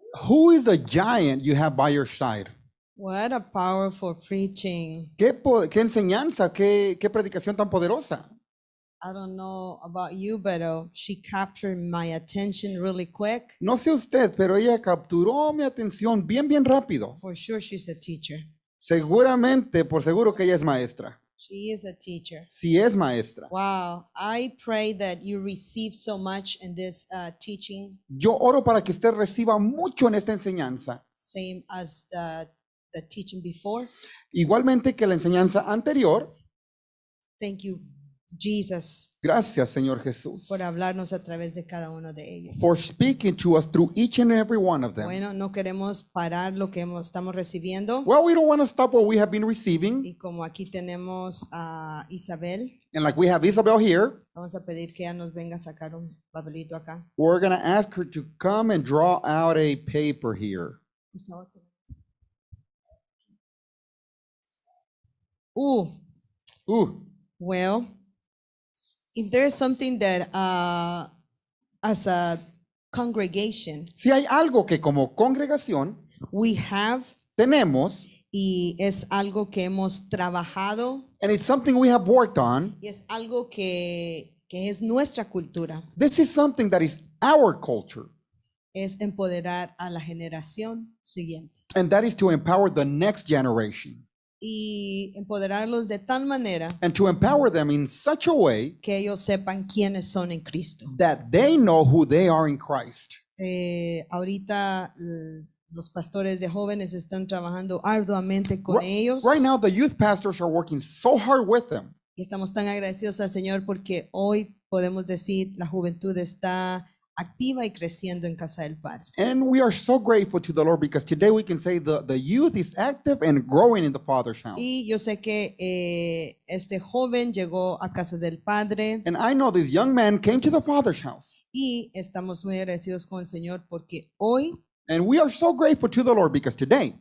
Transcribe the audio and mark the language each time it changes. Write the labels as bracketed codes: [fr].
[en] Who is the giant you have by your side? What a powerful preaching. [es] ¿Qué enseñanza? ¿Qué predicación tan poderosa? [en] I don't know about you, but she captured my attention really quick. [es] No sé usted, pero ella capturó mi atención bien, bien rápido. [en] For sure she's a teacher. [es] Seguramente, por seguro que ella es maestra. [en] She is a teacher. [es] Sí, es maestra. [en] Wow, I pray that you receive so much in this teaching. [es] Yo oro para que usted reciba mucho en esta enseñanza. [en] Same as the teaching before. [es] Igualmente que la enseñanza anterior. [en] Thank you, Jesus. [es] Gracias, Señor Jesús. Por hablarnos a través de cada uno de ellos. [en] For speaking to us through each and every one of them. [es] Bueno, no queremos parar lo que estamos recibiendo. [en] Well, we don't want to stop what we have been receiving. [es] Y como aquí tenemos a Isabel. [en] And like we have Isabel here. [es] Vamos a pedir que ella nos venga a sacar un papelito acá. [en] We're going to ask her to come and draw out a paper here. Ooh. Ooh. Well, if there is something that as a congregation, [es] si hay algo que como congregación, [en] we have, [es] tenemos, y es algo que hemos trabajado, [en] and it's something we have worked on, [es] y es algo que es nuestra cultura. [en] This is something that is our culture. [es] Es empoderar a la generación siguiente. [en] And that is to empower the next generation. [es] Y empoderarlos de tal manera, [en] and to empower them in such a way, [es] que ellos sepan quiénes son en Cristo, [en] that they know who they are in Christ. [es] Ahorita los pastores de jóvenes están trabajando arduamente con ellos. [en] Right now the youth pastors are working so hard with them. [es] Y estamos tan agradecidos al Señor porque hoy podemos decir la juventud está activa y creciendo en casa del Padre. [en] And we are so grateful to the Lord because today we can say the youth is active and growing in the Father's house. [es] Y yo sé que este joven llegó a casa del Padre. [en] And I know this young man came to the Father's house. [es] Y estamos muy agradecidos con el Señor porque hoy, [en] and we are so grateful to the Lord because today,